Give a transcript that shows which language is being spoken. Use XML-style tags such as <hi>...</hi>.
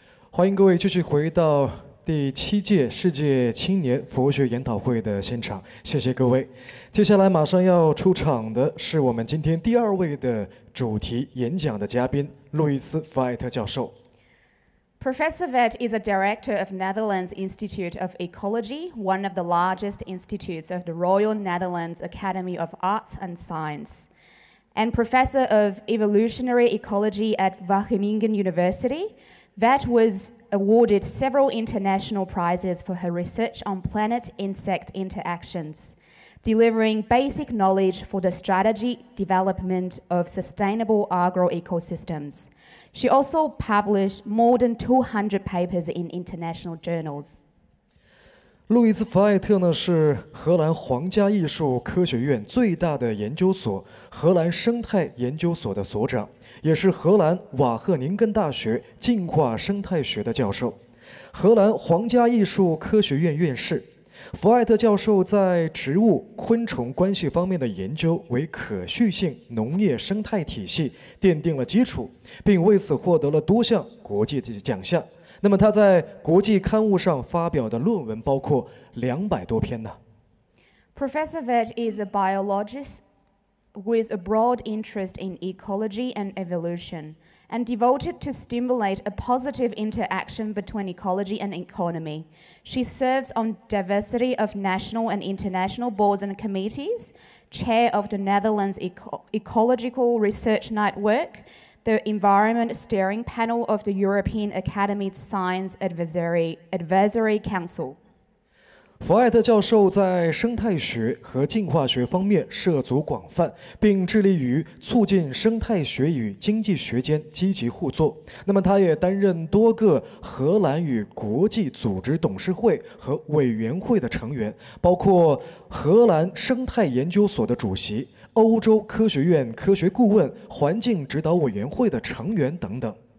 <zh>欢迎各位继续回到第七届世界青年佛学研讨会的现场，谢谢各位。接下来马上要出场的是我们今天第二位的主题演讲的嘉宾，路易斯·弗艾特教授。</zh> <en>Professor Witt is a director of Netherlands Institute of Ecology, one of the largest institutes of the Royal Netherlands Academy of Arts and Science, and professor of evolutionary ecology at Wageningen University. Witt was awarded several international prizes for her research on planet-insect interactions, delivering basic knowledge for the strategy development of sustainable agroecosystems. She also published more than 200 papers in international journals.</en> <zh>路易斯·弗艾特呢是荷兰皇家艺术科学院最大的研究所——荷兰生态研究所的所长，也是荷兰瓦赫宁根大学进化生态学的教授，荷兰皇家艺术科学院院士。弗艾特教授在植物昆虫关系方面的研究为可续性农业生态体系奠定了基础，并为此获得了多项国际奖项。那么他在国际刊物上发表的论文包括200多篇呢。</zh> <en>Professor Witt is a biologist with a broad interest in ecology and evolution, and devoted to stimulate a positive interaction between ecology and economy. She serves on diversity of national and international boards and committees, chair of the Netherlands Ecological Research Network, the Environment Steering Panel of the European Academy of Science Advisory Council.</en> <zh>弗艾特教授在生态学和进化学方面涉足广泛，并致力于促进生态学与经济学间积极互作。那么他也担任多个荷兰与国际组织董事会和委员会的成员，包括荷兰生态研究所的主席、欧洲科学院科学顾问、环境指导委员会的成员等等。</zh>